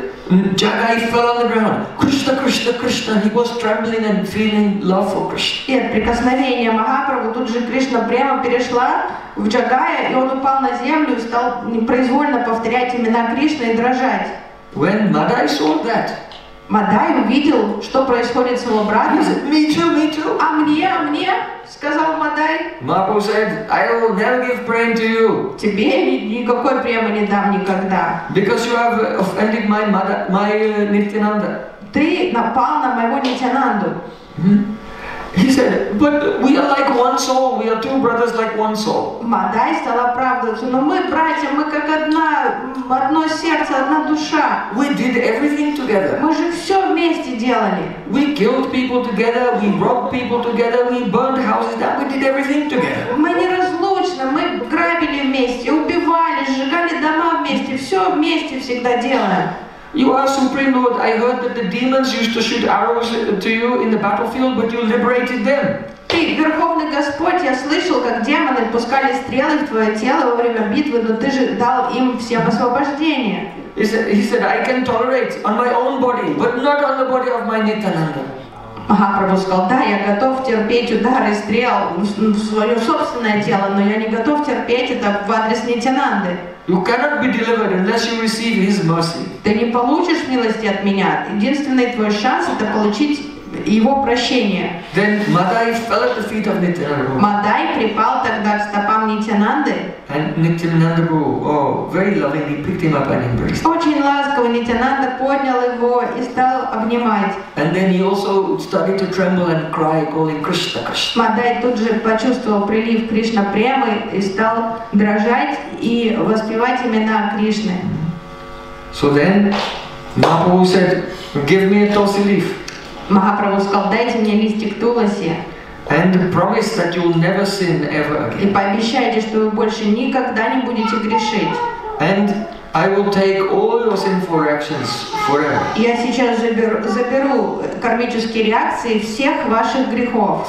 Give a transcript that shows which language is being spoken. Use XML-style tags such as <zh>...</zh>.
<en>And Jagai fell on the ground. Krishna, Krishna, Krishna. He was trembling and feeling love for Krishna.</en> <ru>И от прикосновения Махапрабху тут же Кришна прямо перешла в Джагая, и он упал на землю и стал непроизвольно повторять имена Кришны и дрожать.</ru> <en>When Madai saw that,</en> <ru>Мадай увидел, что происходит с его братом.</ru> <en>He said, "Me too, me too."</en> <ru>А мне? Сказал Мадай.</ru> <en>Mahaprabhu said, "I will never give prem to you."</en> <ru>Тебе никакой премы не дам никогда.</ru> <en>Because you have offended my Nityananda.</en> <ru>Ты напал на моего Нитянанду.</ru> <en>He said, "But we are like one soul. We are two brothers like one soul."</en> <ru>Мадай стал оправдываться, но мы братья, мы как одно сердце, одна душа.</ru> <en>We did everything together.</en> <ru>Мы же все вместе делали.</ru> <en>We killed people together. We robbed people together. We burned houses down. We did everything together.</en> <ru>Мы неразлучно, мы грабили вместе, убивали, сжигали дома вместе, все вместе всегда делали.</ru> <en>You are Supreme Lord. I heard that the demons used to shoot arrows to you in the battlefield, but you liberated them.</en> <ru>Ты верховный Господь, я слышал, как демоны пускали стрелы в твое тело во время битвы, но ты же дал им всем освобождение.</ru> <en>He said, "I can tolerate on my own body, but not on the body of my Nityananda."</en> <ru>Махапрабху сказал, да, я готов терпеть удары стрел в свое собственное тело, но я не готов терпеть это в адрес Нитянанды.</ru> <en>You cannot be delivered unless you receive His mercy.</en> <ru>Ты не получишь милости от меня. Единственный твой шанс это получить его прощение.</ru> <en>Then Madai fell at the feet of Nityananda.</en> <ru>Madai припал тогда к стопам Нитянанды.</ru> <en>And Nityananda very lovingly picked him up and embraced.</en> <ru>Очень ласково Нитянанда поднял его и стал обнимать.</ru> <en>And then he also started to tremble and cry, calling Krishna, Krishna.</en> <ru>Madai тут же почувствовал прилив Кришна премы и стал дрожать и воспевать имена Кришны.</ru> <en>So then Mahaprabhu said, give me a tulsi leaf.</en> <ru>Махапрабху сказал, дайте мне листик туласи.</ru> <en>And promise that you will never sin ever again.</en> <ru>И пообещайте, что вы больше никогда не будете грешить.</ru> <en>And I will take all your sinful actions forever.</en> <ru>Я сейчас заберу кармические реакции всех ваших грехов.</ru>